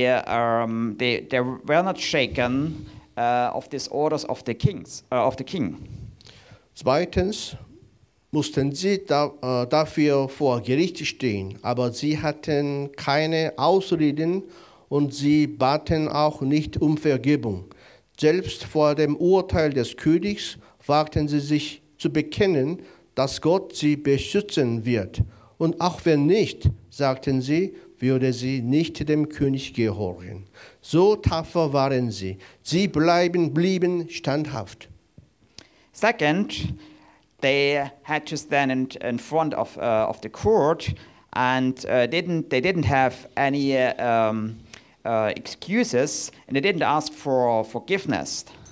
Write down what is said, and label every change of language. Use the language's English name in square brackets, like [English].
[English] They were not shaken of these orders of the kings of the king. [German] Zweitens mussten sie dafür vor Gericht stehen, aber sie hatten keine Ausreden. Und sie baten auch nicht um Vergebung. Selbst vor dem Urteil des Königs wagten sie sich zu bekennen, dass Gott sie beschützen wird. Und auch wenn nicht, sagten sie, würde sie nicht dem König gehorchen. So tapfer waren sie. Sie blieben standhaft. [English] Second, they had to stand in front of the court and they didn't have any excuses, and they didn't ask for forgiveness.